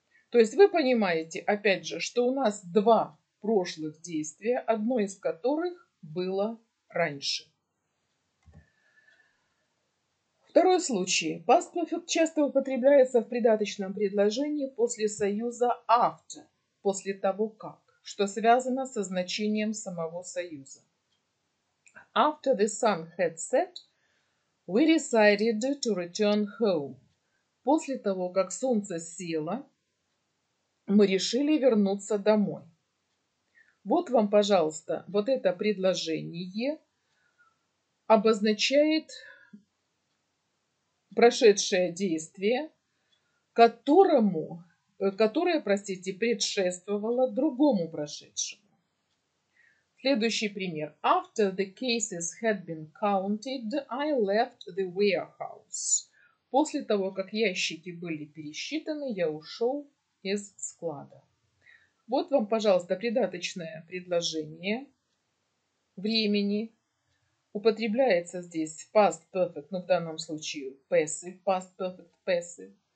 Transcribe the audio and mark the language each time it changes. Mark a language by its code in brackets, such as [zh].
[ru] То есть вы понимаете, опять же, что у нас два прошлых действия, одно из которых было раньше. Второй случай. Past perfect часто употребляется в придаточном предложении после союза after, после того как, что связано со значением самого союза. [en] After the sun had set, we decided to return home. [ru] После того, как солнце село, мы решили вернуться домой. Вот вам, пожалуйста, вот это предложение обозначает прошедшее действие, которое предшествовало другому прошедшему. Следующий пример. [en] After the cases had been counted, I left the warehouse. [ru] После того, как ящики были пересчитаны, я ушел из склада. Вот вам, пожалуйста, придаточное предложение времени. Употребляется здесь past perfect, но в данном случае passive, past perfect passive.